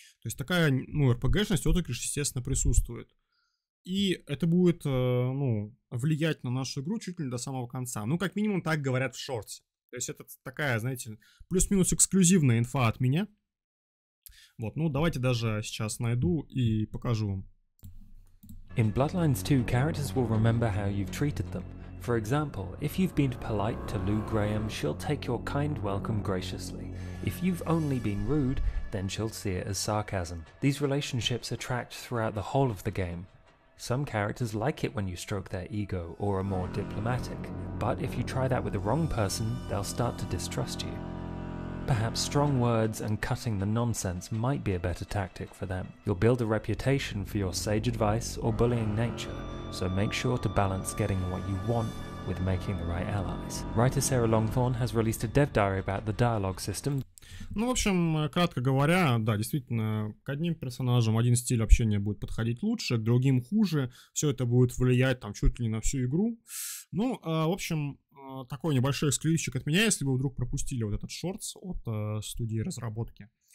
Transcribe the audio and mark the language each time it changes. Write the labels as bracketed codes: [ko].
[ru] То есть такая, ну, RPG-шность, отыгрыш, естественно, присутствует. И это будет, ну, влиять на нашу игру чуть ли не до самого конца. Ну, как минимум, так говорят в шортсе. То есть это такая, знаете, плюс-минус эксклюзивная инфа от меня. Вот, ну давайте даже сейчас найду и покажу вам. [en] In Bloodlines 2, characters will remember how you've treated them. For example, if you've been polite to Lou Graham, she'll take your kind welcome graciously. If you've only been rude, then she'll see it as sarcasm. These relationships attract throughout the whole of the game. Some characters like it when you stroke their ego or are more diplomatic, but if you try that with the wrong person, they'll start to distrust you. Perhaps strong words and cutting the nonsense might be a better tactic for them. You'll build a reputation for your sage advice or bullying nature, so make sure to balance getting what you want with making the right allies. Writer Sarah Longthorne has released a dev diary about the dialogue system. [ru] Ну, в общем, кратко говоря, да, действительно, к одним персонажам один стиль общения будет подходить лучше, к другим хуже. Все это будет влиять там чуть ли не на всю игру. Ну, в общем, такой небольшой эксклюзивчик от меня, если вы вдруг пропустили вот этот шортс от студии разработки.